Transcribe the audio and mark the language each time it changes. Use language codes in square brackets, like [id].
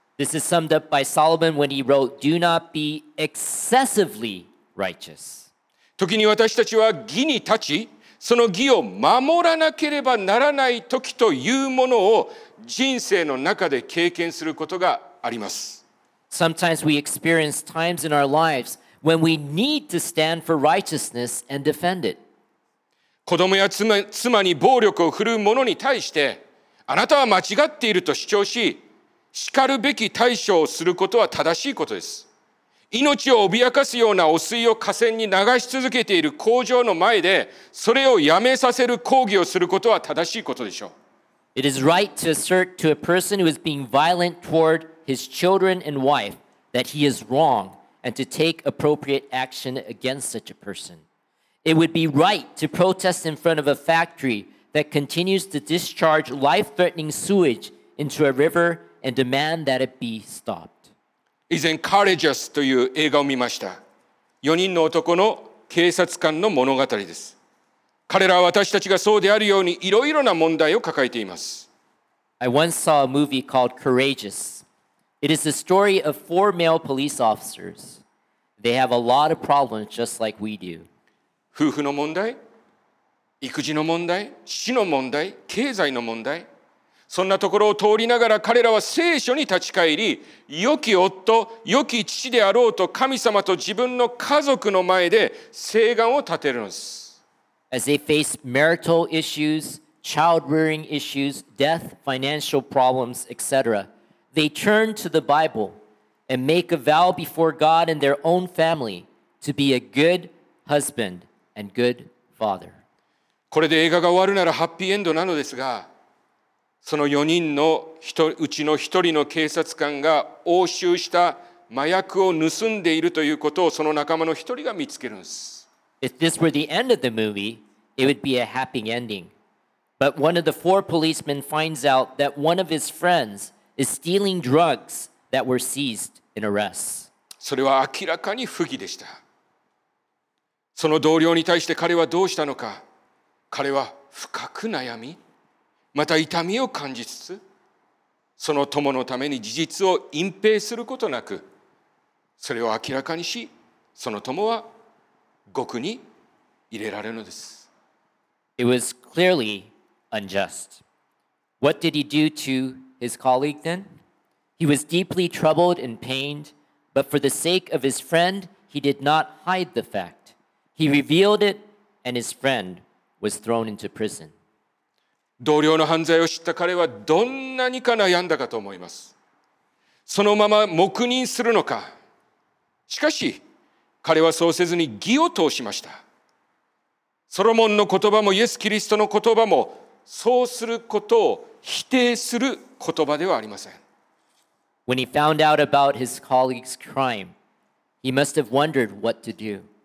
[en] This is summed up by Solomon when he wrote, Do not be excessively righteous. [ja] 時に私たちは義に立ち、その義を守らなければならない時というものを人生の中で経験することがあります。 [en] Sometimes we experience times in our lives when we need to stand for righteousness and defend it. [ja] 子供や妻に暴力を振るう者に対して、あなたは間違っていると主張し、叱るべき対処をすることは正しいことです。命を脅かすような汚水を河川に流し続けている工場の前で、それをやめさせる抗議をすることは正しいことでしょう。 [en] It is right to assert to a person who is being violent toward his children and wife that he is wrong and to take appropriate action against such a person. It would be right to protest in front of a factory that continues to discharge life-threatening sewage into a river and demand that it be stopped. [ja] 以前 Courageous という映画を見ました。 4人の男の警察官の物語です。彼らは私たちがそうであるようにいろいろな問題を抱えています。 [en] I once saw a movie called Courageous. It is the story of four male police officers. They have a lot of problems just like we do. [ja] 夫婦の問題、育児の問題、死の問題、経済の問題。そんなところを通りながら彼らは聖書に立ち返り、良き夫、良き父であろうと神様と自分の家族の前で誓願を立てるのです。 [en] As they face marital issues, child-rearing issues, death, financial problems, etc., they turn to the Bible and make a vow before God and their own family to be a good husband and good father. [ja] これで映画が終わるならハッピーエンドなのですが、その4人のうちの1人の警察官が押収した麻薬を盗んでいるということをその仲間の1人が見つけるんです。 [en] If this were the end of the movie, it would be a happy ending. But one of the four policemen finds out that one of his friends is stealing drugs that were seized in arrests. [ja] それは明らかに不義でした。その同僚に対して彼はどうしたのか。彼は深く悩み、また痛みを感じつつ、その友のために事実を隠蔽することなく、それを明らかにし、その友は獄に入れられるのです。 [en] It was clearly unjust. What did he do to his colleague then? He was deeply troubled and pained, but for the sake of his friend, he did not hide the fact. He revealed it, and his friend was thrown into prison. [ja] 同僚の犯罪を知った彼はどんなにか悩んだかと思います。そのまま黙認するのか。しかし、彼はそうせずに義を通しました。ソロモンの言葉もイエス・キリストの言葉もそうすることを否定する言葉ではありません。 [en] When he found out about his colleague's crime, he must have wondered what to do.